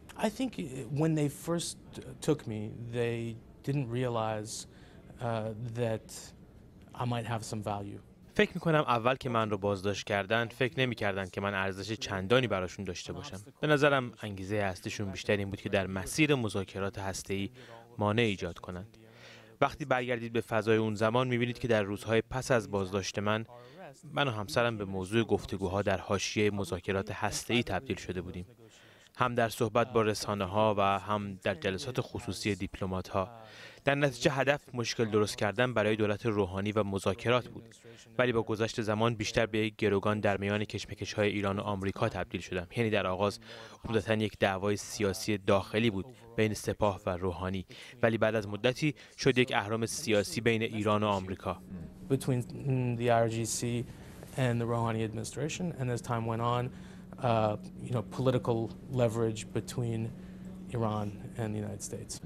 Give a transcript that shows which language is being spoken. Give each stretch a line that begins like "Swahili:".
English: I think when they first took me, they didn't realize that I might have some value.
Persian: فکر میکنم اول که من رو بازداشت کردن فکر نمیکردن که من ارزش چندانی براشون داشته باشم. به نظرم انگیزه هستشون بیشتر این بود که در مسیر مذاکرات هسته‌ای مانع ایجاد کنند. وقتی برگردید به فضای اون زمان میبینید که در روزهای پس از بازداشت من و همسرم به موضوع گفتگوها در حاشیه مذاکرات هسته‌ای تبدیل شده بودیم. هم در صحبت با رسانه‌ها و هم در جلسات خصوصی دیپلمات‌ها. در نتیجه هدف مشکل درست کردن برای دولت روحانی و مذاکرات بود، ولی با گذشت زمان بیشتر به یک گروگان در میان کشمکش‌های ایران و آمریکا تبدیل شدم. یعنی در آغاز عمدتاً یک دعوای سیاسی داخلی بود بین سپاه و روحانی، ولی بعد از مدتی شد یک اهرام سیاسی بین ایران و آمریکا.
English: Between the IRGC and the Rouhani administration, and as time went on, you know, political leverage between Iran and the United States.